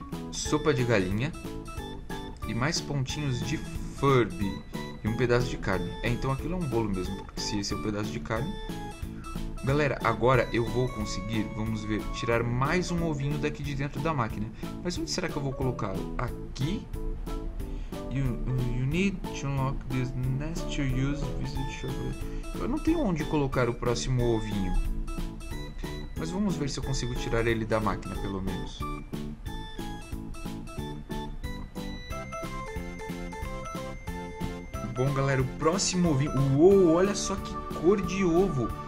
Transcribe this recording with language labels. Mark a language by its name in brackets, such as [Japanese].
[Portuguese] Sopa de galinha. E mais pontinhos de Furby. E um pedaço de carne. Então aquilo é um bolo mesmo, porque se esse é um pedaço de carne... Galera, agora eu vou conseguir, vamos ver, tirar mais um ovinho daqui de dentro da máquina. Mas onde será que eu vou colocá-lo? Aqui? [English] You need to unlock this nest to use visit shop. [Portuguese] Eu não tenho onde colocar o próximo ovinho. Mas vamos ver se eu consigo tirar ele da máquina, pelo menos. Bom, galera, o próximo ovinho... Uou, olha só que cor de ovo.